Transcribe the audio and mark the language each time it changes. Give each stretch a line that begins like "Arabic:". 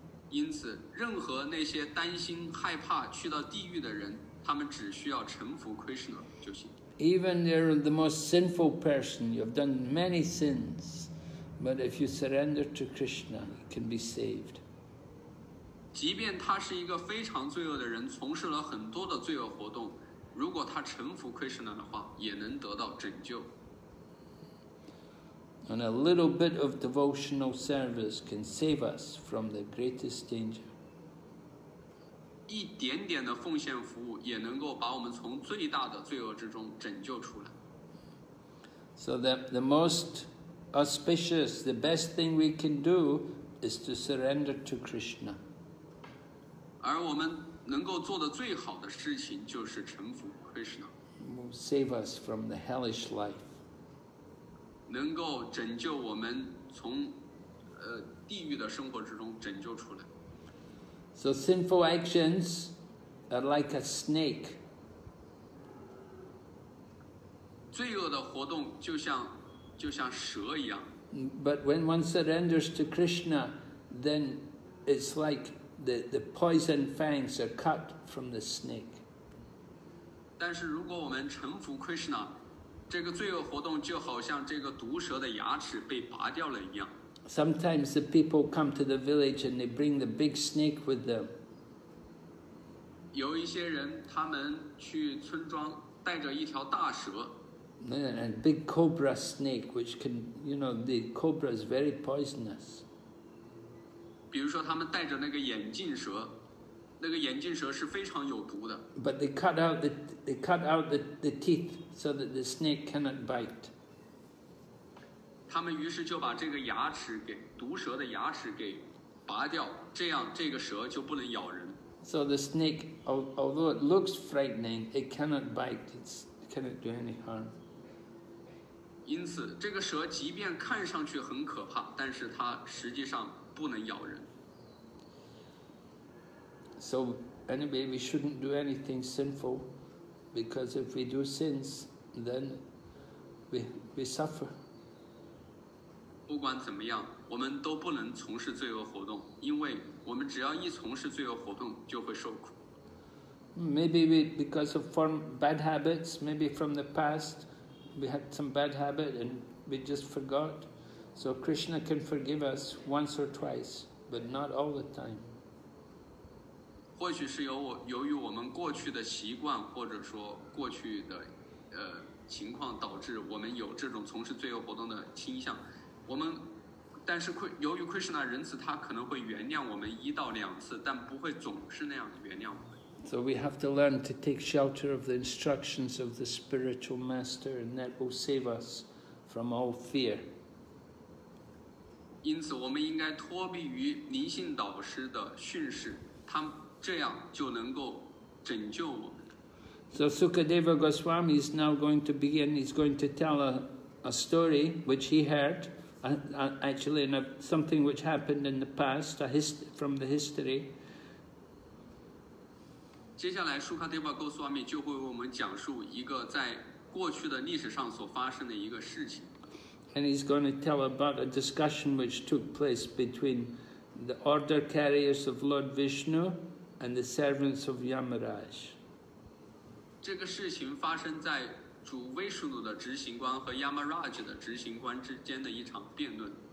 Chinese: 因此，任何那些担心、害怕去到地狱的人，他们只需要臣服 Krishna 就行。
English: Even you're the most sinful person, you've done many sins, but if you surrender to Krishna, you can be saved.
Chinese: 即便他是一个非常罪恶的人，从事了很多的罪恶活动。如果他臣服 Krishna 的话，也能得到拯救。
English: And a little bit of devotional service can save us from the greatest danger.
Chinese: 一点点的奉献服务也能够把我们从最大的罪恶之中拯救出来。
English: So that the most auspicious, the best thing we can do is to surrender to Krishna.
Chinese: 而我们能够做的最好的事情就是臣服 Krishna.
English: Save us from the hellish life.
Chinese: 能够拯救我们从地狱的生活之中拯救出来。
English: So sinful actions are like a snake.
Chinese: 罪恶的活动就像蛇一样。
English: But when one surrenders to Krishna, then it's like the poison fangs are cut from the snake.
Chinese: 但是如果我们臣服 Krishna, 这个罪恶活动就好像这个毒蛇的牙齿被拔掉了一样。
English: Sometimes the people come to the village and they bring the big snake with them.
Chinese: 有一些人他们去村庄带着一条大蛇。
English: And a big cobra snake, which can, you know, the cobra is very poisonous.
Chinese: 比如说他们带着那个眼镜蛇，那个眼镜蛇是非常有毒的。
English: But they cut out the teeth so that the snake cannot bite.
Chinese: 他们于是就把这个牙齿给毒蛇的牙齿给拔掉，这样这个蛇就不能咬人。
English: So the snake, although it looks frightening, it cannot bite. It cannot do any harm.
Chinese: 因此这个蛇即便看上去很可怕但是它实际上不能咬人。
English: So anyway, we shouldn't do anything sinful because if we do sins, then we suffer.
Chinese: 不管怎么样我们都不能从事罪恶活动因为我们只要一从事罪恶活动就会受苦。
English: Maybe we, because of form bad habits, maybe from the past,We had some bad habit and we just forgot. So Krishna can forgive us once or twice, but not all the time.
Chinese: 或许是由于我们过去的习惯或者说过去的情况导致我们有这种从事罪恶活动的倾向。我们但是由于 Krishna 仁慈他可能会原谅我们一到两次但不会总是那样原谅我们。
English: So we have to learn to take shelter of the instructions of the spiritual master and that will save us from all fear.
Chinese: 因此我们应该脱避于灵性导师的训示他这样就能够拯救我们。
English: So Sukadeva Goswami is now going to begin, he's going to tell a story which he heard, actually in something which happened in the past, from the history.
Chinese: 接下来舒卡迪巴戈斯瓦米就会为我们讲述一个在过去的历史上所发生的一个事情。
English: And he's going to tell about a discussion which took place between the order carriers of Lord Vishnu and the servants of Yamaraj.
Chinese: 这个事情发生在主威士努的执行官和 Yamaraj 的执行官之间的一场辩论。